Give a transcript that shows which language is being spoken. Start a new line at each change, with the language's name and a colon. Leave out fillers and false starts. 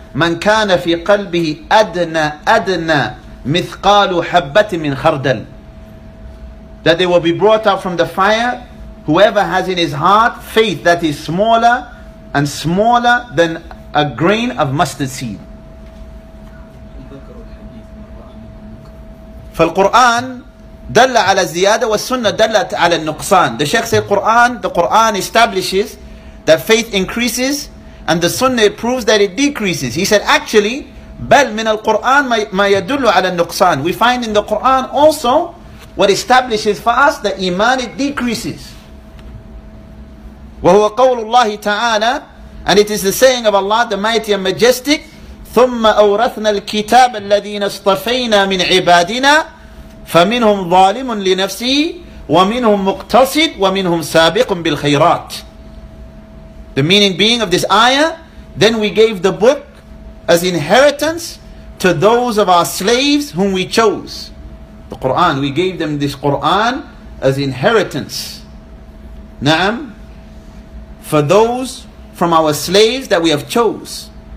Arabic: مَنْ كَانَ فِي قَلْبِهِ أَدْنَى مِثْقَالُ حَبَّةٍ مِنْ خَرْدَلٍ,
English: that they will be brought out from the fire, whoever has in his heart faith that is smaller and smaller than a grain of mustard seed.
Arabic: فالقرآن دل على الزيادة والسنة دلت على النقصان.
English: The Shaykh said, the Quran establishes that faith increases and the Sunnah proves that it decreases. He said, actually,
Arabic: بل من القرآن ما يدل على النقصان.
English: We find in the Quran also what establishes for us that iman, it decreases.
Arabic: وهو قول الله تعالى,
English: and it is the saying of Allah, the Mighty and Majestic,
Arabic: ثم أورثنا الكتاب الذين اصطفينا من عبادنا فمنهم ظالم لنفسه ومنهم مقتصد ومنهم سابق بالخيرات.
English: The meaning being of this ayah, then we gave the book as inheritance to those of our slaves whom we chose. The Qur'an, we gave them this Qur'an as inheritance. Na'am. For those from our slaves that we have chose.